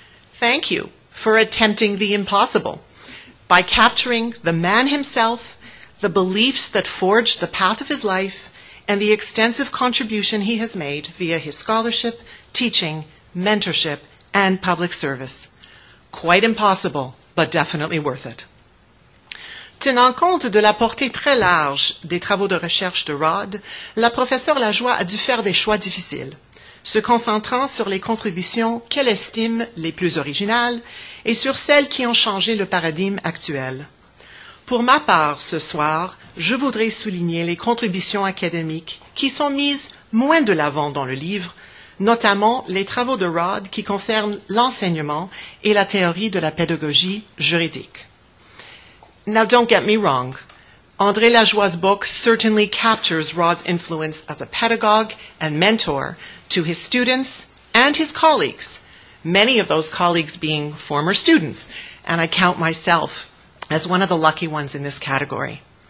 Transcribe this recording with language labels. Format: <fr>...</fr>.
<en>Thank you for attempting the impossible by capturing the man himself, the beliefs that forged the path of his life, and the extensive contribution he has made via his scholarship, teaching, mentorship, and public service. Quite impossible, but definitely worth it.</en> <fr>Tenant compte de la portée très large des travaux de recherche de Rod, la professeure Lajoie a dû faire des choix difficiles, se concentrant sur les contributions qu'elle estime les plus originales et sur celles qui ont changé le paradigme actuel. Pour ma part, ce soir, je voudrais souligner les contributions académiques qui sont mises moins de l'avant dans le livre, notamment les travaux de Rod qui concernent l'enseignement et la théorie de la pédagogie juridique.</fr> <en>Now, don't get me wrong. André Lajoie's book certainly captures Rod's influence as a pedagogue and mentor to his students and his colleagues, many of those colleagues being former students, and I count myself as one of the lucky ones in this category.</en>